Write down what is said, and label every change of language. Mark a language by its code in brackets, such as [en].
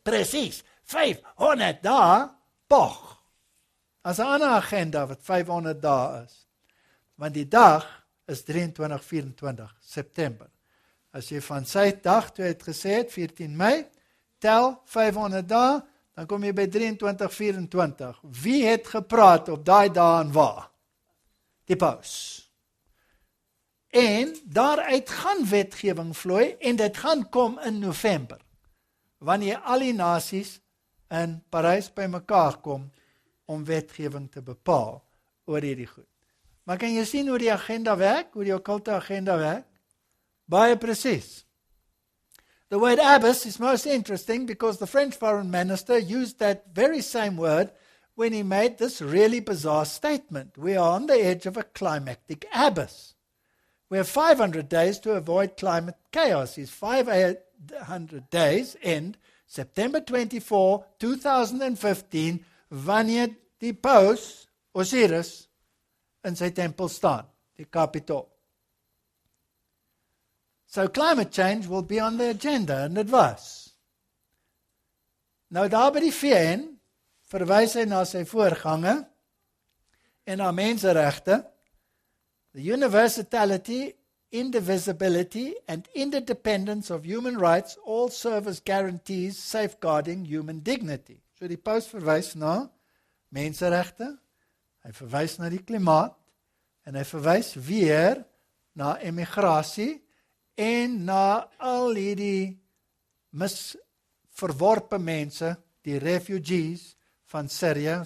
[af] Presies, 500 dae, poch. As 'n ander agenda wat 500 dae is, want die dag is 23-24 September. As jy van sy dag, toe het gesê het, 14 Mei, tel 500 dae, dan kom jy by 23-24. Wie het gepraat op daai dae en waar? Die paus. En daaruit gaan wetgewing vloei en dit gaan kom in November, wanneer al die nasies in Parys by mekaar kom om wetgewing te bepaal oor hierdie goed. Maar kan jy sien hoe die agenda werk, hoe die okkulte agenda werk? Baie precies. [en] The word abyss is most interesting because the French foreign minister used that very same word when he made this really bizarre statement. "We are on the edge of a climactic abyss. We have 500 days to avoid climate chaos." His 500 days end September 24, 2015, [af] wanneer die paus Osiris in sy tempel staan, die kapitool. [en] So climate change will be on the agenda in advance. [af] Nou daar by die VN verwys hy na sy voorgange en na menseregte. [en] "The universality, indivisibility and interdependence of human rights all serve as guarantees safeguarding human dignity." [af] So die paus verwys na menseregte, hy verwys na die klimaat en hy verwys weer na emigrasie en na al hierdie misverworpe mense, die refugees van Syrië.